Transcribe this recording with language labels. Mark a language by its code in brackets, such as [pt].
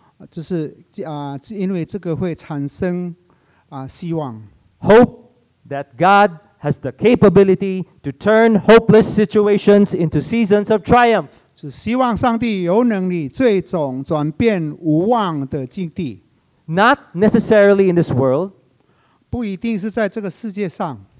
[zh] 就是因为这个会产生希望。 [en] Hope that God has the capability to turn hopeless situations into seasons of triumph. [zh] 就希望上帝有能力最终转变无望的境地。 [en] Not necessarily in this world. [zh] 不一定是在这个世界上。